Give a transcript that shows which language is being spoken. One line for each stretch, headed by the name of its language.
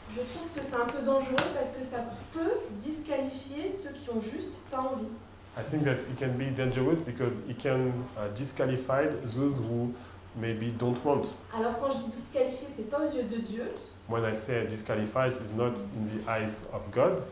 French: Je trouve que c'est un peu dangereux parce que ça peut disqualifier ceux qui ont juste pas envie.
English: I think that it can be dangerous because it can disqualify those who maybe don't want.
French: Alors quand je dis disqualifier, c'est pas aux yeux de Dieu.
English: When I say disqualified, it's not in the eyes of God.